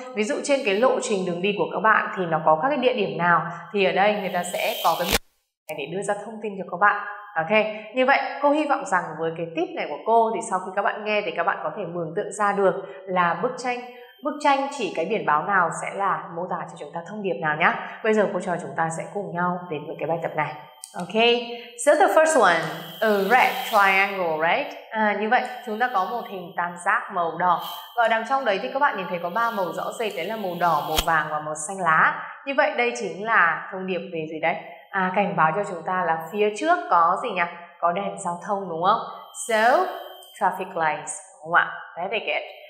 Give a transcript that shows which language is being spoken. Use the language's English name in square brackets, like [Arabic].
[Vietnamese] Ví dụ trên cái lộ trình đường đi của các bạn thì nó có các cái địa điểm nào thì ở đây người ta sẽ có cái biển này để đưa ra thông tin cho các bạn. Ok, như vậy cô hy vọng rằng với cái tip này của cô thì sau khi các bạn nghe thì các bạn có thể mường tượng ra được là bức tranh chỉ cái biển báo nào sẽ là mô tả cho chúng ta thông điệp nào nhá. Bây giờ cô trò chúng ta sẽ cùng nhau đến với cái bài tập này. [English] Okay, so the first one, a red triangle, right? [Vietnamese] À, như vậy, chúng ta có một hình tam giác màu đỏ. Và đằng trong đấy thì các bạn nhìn thấy có ba màu rõ rệt, đấy là màu đỏ, màu vàng và màu xanh lá. Như vậy, đây chính là thông điệp về gì đấy? À, cảnh báo cho chúng ta là phía trước có gì nhỉ? Có đèn giao thông, đúng không? [English] So, traffic lights, [Vietnamese] đúng không ạ? [English] That they get.